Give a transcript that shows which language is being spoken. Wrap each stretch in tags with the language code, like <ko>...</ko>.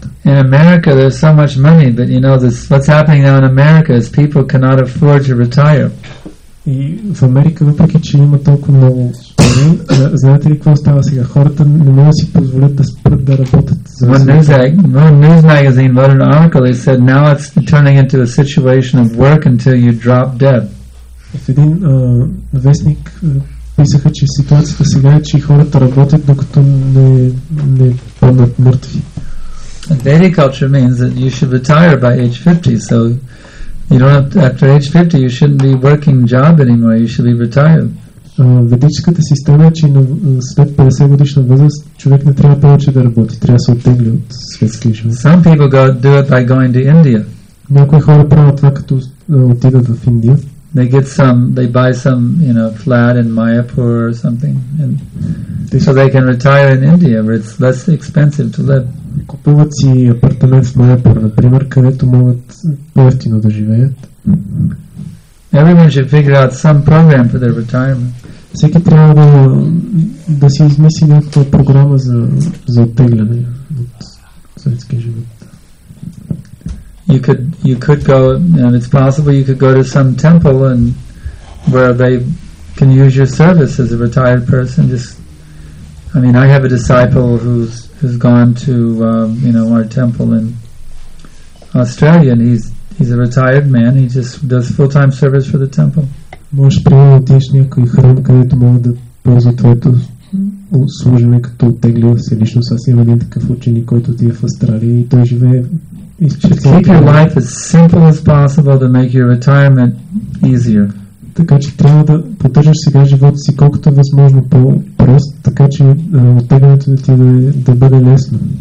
<en>In America, there's so much money, but you know, this, what's happening now in America is people cannot afford to retire.</en> <bg>И в Америка, въпреки че има толкова много пари, знаете ли какво става сега? Хората не могат да си позволят да спрат да работят.</bg> <en>One news magazine wrote an article. They said now it's turning into a situation of work until you drop dead.</en> <bg>В един вестник писаха, че ситуацията сега е, че хората работят докато не паднат мъртви.</bg> <en>Vedic culture means that you should retire by age 50, so You don't have to, after age 50 you shouldn't be working job anymore, you should be retired.</en> <bg>Ведическата система е, че след 50 годишна възраст човек не трябва повече да работи, трябва да се оттегли от светския живот.</bg> <en>Some people go do it by going to India.</en> <bg>Някои хора правят това като отидат в Индия.</bg> <en>They get some, they buy some, you know, flat in Mayapur or something, and so they can retire in India where it's less expensive to live.</en> <bg>Купуват си апартамент в Майапур, например, където могат по-евтино да живеят.</bg> <en>Everyone should figure out some program for their retirement.</en> <bg>Всеки трябва да си измисли някаква програма за оттегляне от съветския живот.</bg> <en>You could go, and it's possible you could go to some temple and where they can use your service as a retired person. Just, I mean, I have a disciple who's gone to you know, our temple in Australia, and he's a retired man. He just does full time service for the temple.</en> <bg>Можеш прямо отидеш в някой храм, където могат да ползват твоето служение като оттегли се лично. Аз имам един такъв ученик, който отиде в Австралия и той живее.</bg> <en>Keep your life as simple as possible to make your retirement easier.</en> <bg>Така че трябва да поддържаш сега живота си колкото възможно по-прост, така че оттеглянето ти да бъде лесно.</bg>